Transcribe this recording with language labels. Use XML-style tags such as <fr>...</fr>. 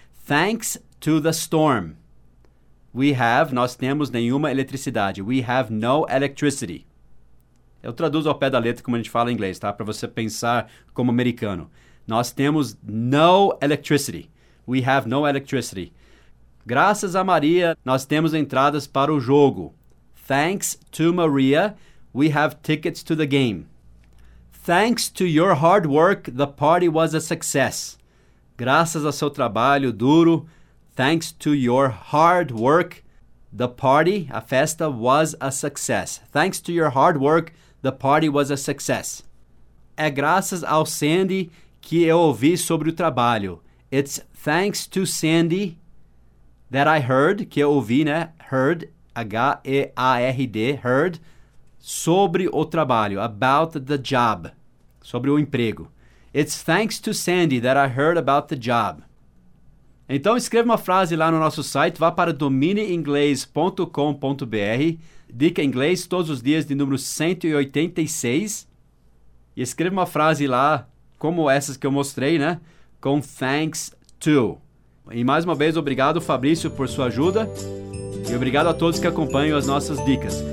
<en>Thanks to the storm, we have,</en> <pt>nós temos nenhuma eletricidade.</pt> <en>We have no electricity.</en> <pt>Eu traduzo ao pé da letra como a gente fala em inglês, tá? Para você pensar como americano. Nós temos</pt> <en>no electricity. We have no electricity.</en> <pt>Graças a Maria, nós temos entradas para o jogo.</pt> <en>Thanks to Maria, we have tickets to the game. Thanks to your hard work, the party was a success.</en> <pt>Graças ao seu trabalho duro,</pt> <en>thanks to your hard work, the party,</en> <pt>a festa,</pt> <en>was a success. Thanks to your hard work, the party was a success.</en> <pt>É graças ao Sandy que eu ouvi sobre o trabalho.</pt> <en>It's thanks to Sandy that I heard,</en> <pt>que eu ouvi, né? Heard, H-E-A-R-D, heard, sobre o trabalho,</pt> <en>about the job,</en> <pt>sobre o emprego.</pt> <en>It's thanks to Sandy that I heard about the job.</en> <pt>Então escreva uma frase lá no nosso site, vá para domineinglês.com.br, Dica Inglês, todos os dias de número 186, e escreva uma frase lá, como essas que eu mostrei, né? Com</pt> <en>thanks to.</en> <pt>E mais uma vez, obrigado Fabrício por sua ajuda, e obrigado a todos que acompanham as nossas dicas.</pt>